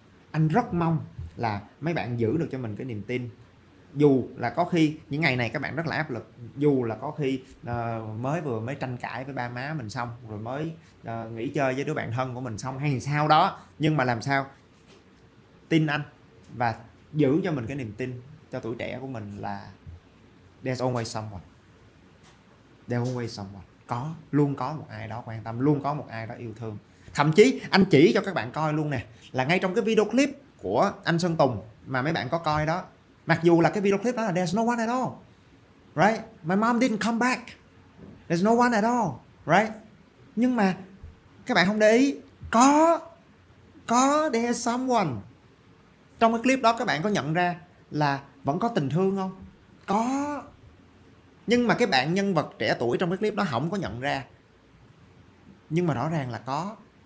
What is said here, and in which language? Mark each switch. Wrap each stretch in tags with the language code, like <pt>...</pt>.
<vi>Anh rất mong là mấy bạn giữ được cho mình cái niềm tin, dù là có khi những ngày này các bạn rất là áp lực, dù là có khi mới tranh cãi với ba má mình xong, rồi mới nghỉ chơi với đứa bạn thân của mình xong hay sao đó, nhưng mà làm sao tin anh và giữ cho mình cái niềm tin cho tuổi trẻ của mình là</vi> <en>there's always someone, there's always someone,</en> <vi>có, luôn có một ai đó quan tâm, luôn có một ai đó yêu thương. Thậm chí anh chỉ cho các bạn coi luôn nè, là ngay trong cái video clip của anh Sơn Tùng mà mấy bạn có coi đó, mặc dù là cái video clip đó là</vi> <en>there's no one at all, right? My mom didn't come back, there's no one at all, right?</en> <vi>Nhưng mà các bạn không để ý, có</vi> <en>there's someone.</en> <vi>Trong cái clip đó các bạn có nhận ra là vẫn có tình thương không? Có. Nhưng mà cái bạn nhân vật trẻ tuổi trong cái clip đó không có nhận ra, nhưng mà rõ ràng là có.</vi>